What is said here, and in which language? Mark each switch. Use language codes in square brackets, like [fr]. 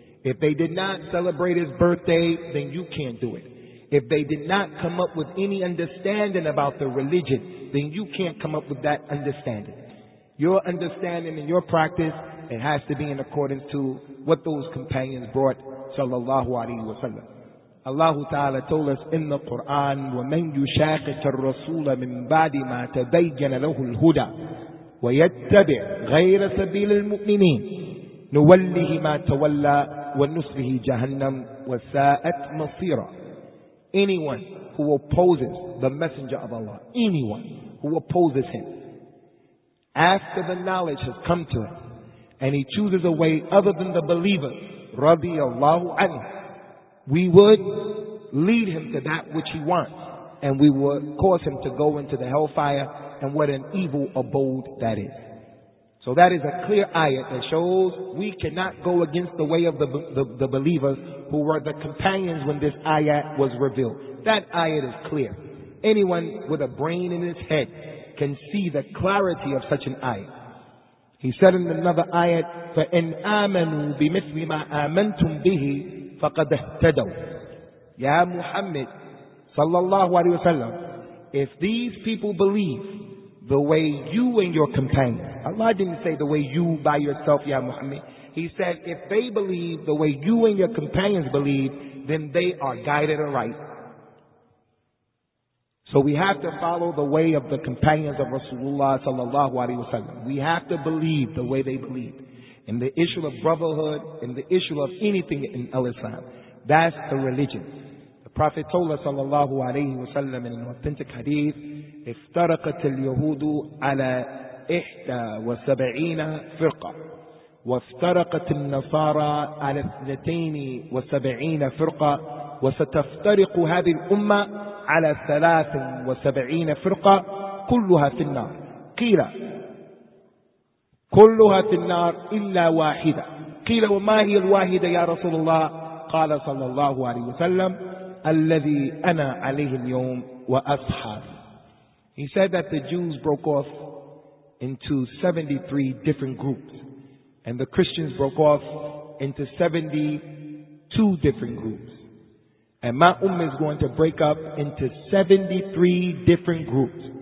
[en] If they did not celebrate his birthday, then you can't do it. If they did not come up with any understanding about the religion, then you can't come up with that understanding. Your understanding and your practice, it has to be in accordance to what those companions brought sallallahu alaihi wasallam. Allah Ta'ala told us in the Quran, [ar] وَمَنْ يُشَاقِقَ الرَّسُولَ مِنْ بَعْدِ مَا تَبَيَّنَ لَهُ الْهُدَى وَيَتَّبِعْ غَيْرَ سَبِيلِ الْمُؤْمِنِينَ نُوَلِّهِ مَا تَوَلَّى وَنُسْلِهِ جَهَنَّمْ وَسَاءَتْ مَصِيرًا. [en] Anyone who opposes the Messenger of Allah, anyone who opposes him, after the knowledge has come to him, and he chooses a way other than the believer, [ar] رَضِيَ اللَّهُ عَنْهُ, [en] we would lead him to that which he wants, and we would cause him to go into the hellfire, and what an evil abode that is. So that is a clear ayat that shows we cannot go against the way of the believers who were the companions when this ayat was revealed. That ayat is clear. Anyone with a brain in his head can see the clarity of such an ayat. He said in another ayat, [ar] فَإِنْ آمَنُوا بِمِثْلِ مَا آمَنْتُمْ بِهِ فقد اهتدوا. يا محمد صلى الله عليه وسلم, [en] if these people believe the way you and your companions, Allah didn't say the way you by yourself, ya Muhammad. He said, if they believe the way you and your companions believe, then they are guided aright. So we have to follow the way of the companions of Rasulullah sallallahu alayhi wa sallam. We have to believe the way they believe. In the issue of brotherhood, in the issue of anything in Islam, that's the religion. [ar] The Prophet told us sallallahu alayhi wa sallam in an authentic hadith, افترقت اليهود على إحدى وسبعين فرقة وافترقت النصارى على اثنتين وسبعين فرقة وستفترق هذه الأمة على ثلاث وسبعين فرقة كلها في النار. قيل كلها في النار إلا واحدة. قيل وما هي الواحدة يا رسول الله؟ قال صلى الله عليه وسلم الذي أنا عليه اليوم وأصحابي. [en] He said that the Jews broke off into 73 different groups, and the Christians broke off into 72 different groups. And my ummah is going to break up into 73 different groups.